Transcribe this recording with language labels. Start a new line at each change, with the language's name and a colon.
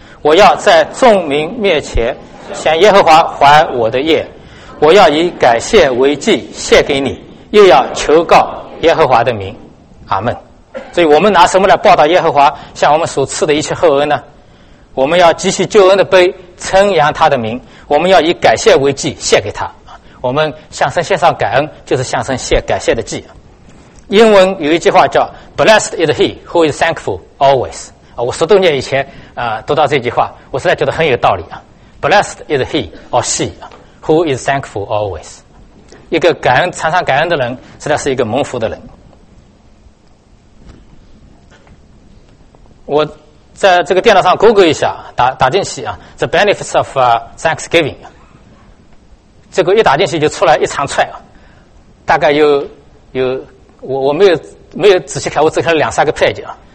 Chinese: 我要在众民面前向耶和华还我的业，我要以感谢为祭献给你，又要求告耶和华的名。阿们。所以我们拿什么来报答耶和华向我们所赐的一切厚恩呢？我们要举起救恩的杯，称扬他的名，我们要以感谢为祭献给他。我们向神献上感恩，就是向神献感谢的祭。英文有一句话叫
English: Blessed is he who is thankful always。
Chinese: 我十多年以前读到这句话，我实在觉得很有道理啊。
English: Blessed is he or she who is thankful always。
Chinese: 一个感恩常常感恩的人，实在是一个蒙福的人。我在这个电脑上 Google 一下，打进去啊 ，
English: The benefits of Thanksgiving。
Chinese: 这个一打进去就出来一长串啊，大概有我没有仔细看，我只看了两三个 page 啊。